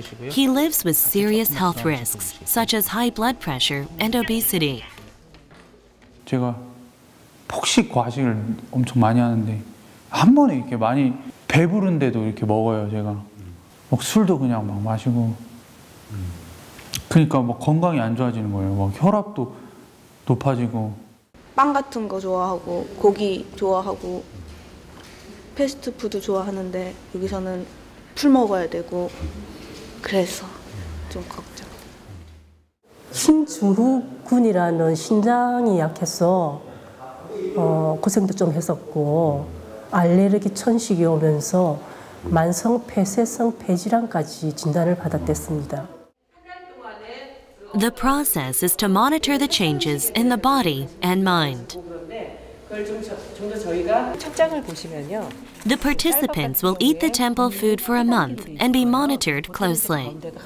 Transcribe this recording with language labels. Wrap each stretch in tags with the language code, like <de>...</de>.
<en>He lives with serious health risks, such as high blood pressure and obesity.</en> <ko>제가 폭식 과식을 엄청 많이 하는데 한 번에 이렇게 많이 배부른데도 이렇게 먹어요 제가. 막 술도 그냥 막 마시고. 그러니까 막 건강이 안 좋아지는 거예요. 막 혈압도 높아지고. 빵 같은 거 좋아하고 고기 좋아하고 패스트푸드 좋아하는데 여기서는 풀 먹어야 되고 그래서 좀 걱정. 심증후군이라는 신장이 약해서 고생도 좀 했었고 알레르기 천식이 오면서 만성 폐쇄성 폐질환까지 진단을 받았댔습니다.</ko> <en>The process is to monitor the changes in the body and mind. The participants will eat the temple food for a month and be monitored closely.</en>